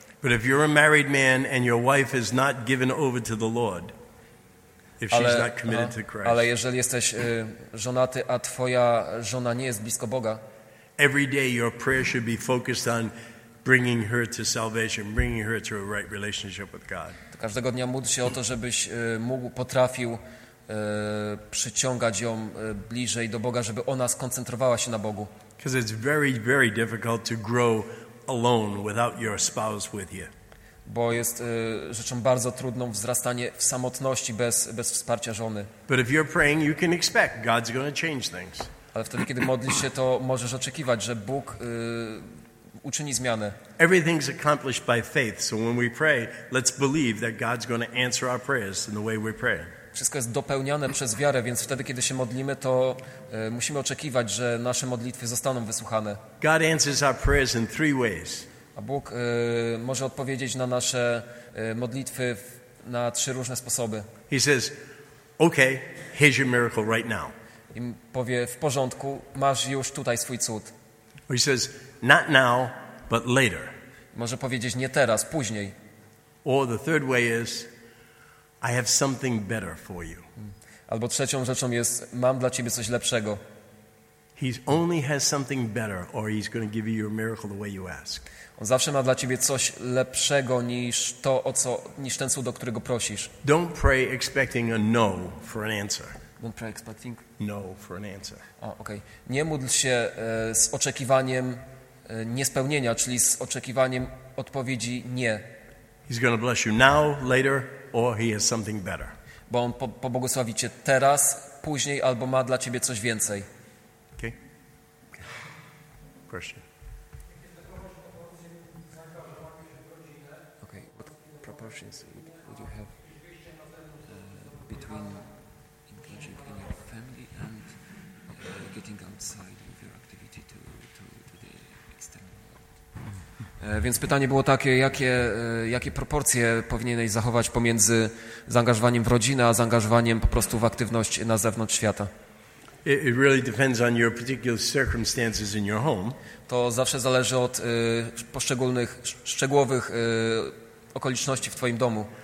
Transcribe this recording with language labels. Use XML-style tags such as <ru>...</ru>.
<en>But if you're a married man and your wife is not given over to the Lord, if she's not committed to Christ.</en> <pl>Ale jeżeli jesteś żonaty, a twoja żona nie jest blisko Boga,</pl> <en>every day your prayer should be focused on bringing her to salvation, bringing her to a right relationship with God.</en> <pl>Każdego dnia módl się o to, żebyś potrafił przyciągać ją bliżej do Boga, żeby ona skoncentrowała się na Bogu.</pl> <en>Because it's very, very difficult to grow alone without your spouse with you.</en> <pl>Bo jest rzeczą bardzo trudną wzrastanie w samotności bez wsparcia żony.</pl> <en>But if you're praying, you can expect God's going to change things.</en> <pl>Ale wtedy, kiedy modlisz się, to możesz oczekiwać, że Bóg uczyni zmianę.</pl> <en>Everything's accomplished by faith, so when we pray, let's believe that God's going to answer our prayers in the way we pray.</en> <pl>Wszystko jest dopełniane przez wiarę, więc wtedy, kiedy się modlimy, to musimy oczekiwać, że nasze modlitwy zostaną wysłuchane.</pl> <en>God answers our prayers in three ways.</en> <pl>A Bóg może odpowiedzieć na nasze modlitwy na trzy różne sposoby.</pl> <en>He says, okay, here's your miracle right now.</en> <pl>I powie, w porządku, masz już tutaj swój cud.</pl> <en>Or he says, not now, but later.</en> <pl>Może powiedzieć, nie teraz, później.</pl> <en>Or the third way is, I have something better for you.</en> <pl>Albo trzecią rzeczą jest, mam dla ciebie coś lepszego.</pl> <en>He only has something better, or he's going to give you your miracle the way you ask.</en> <pl>On zawsze ma dla ciebie coś lepszego niż to, o co, niż ten cud, do którego prosisz.</pl> <en>Don't pray expecting a no for an answer. Don't pray expecting no for an answer. Okay.</en> <pl>Nie módl się z oczekiwaniem niespełnienia, czyli z oczekiwaniem odpowiedzi nie.</pl> <en>He's going to bless you now, later, or he has something better.</en> <pl>Bo on pobłogosławi cię teraz, później, albo ma dla ciebie coś więcej.</pl> <en>Okay. Question. Would you have between engaging in your family and getting outside of your activity to the external world?</en> <pl>Więc pytanie było takie, jakie proporcje powinieneś zachować pomiędzy zaangażowaniem w rodzinę, a zaangażowaniem po prostu w aktywność na zewnątrz świata?</pl> <en>It really depends on your particular circumstances in your home.</en> <pl>To zawsze zależy od poszczególnych, szczegółowych okoliczności w twoim domu.</pl>